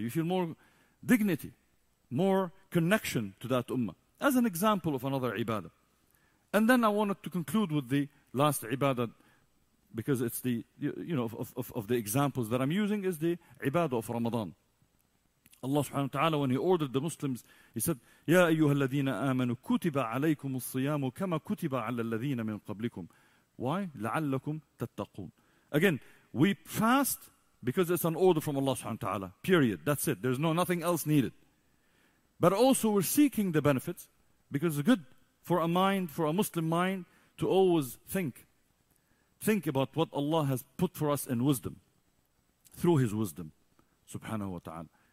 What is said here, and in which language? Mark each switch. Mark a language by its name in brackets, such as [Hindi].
[English] You feel more dignity, more connection to that ummah. As an example of another ibadah. And then I wanted to conclude with the last ibadah, because it's the, you know, of the examples that I'm using, is the ibadah of Ramadan. Allah subhanahu wa ta'ala, when He ordered the Muslims, He said, [Arabic] يَا أَيُّهَا الَّذِينَ آمَنُوا كُتِبَ عَلَيْكُمُ الصِّيَامُ كَمَا كُتِبَ عَلَى الَّذِينَ مِنْ قَبْلِكُمْ. [English] Why? [Arabic] لَعَلَّكُمْ تَتَّقُونَ. [English] Again, we fast because it's an order from Allah subhanahu wa ta'ala. Period. That's it. There's nothing else needed. But also we're seeking the benefits, because it's good for a mind, for a Muslim mind, to always think. Think about what Allah has put for us in wisdom, through His wisdom, subhanahu wa ta'ala.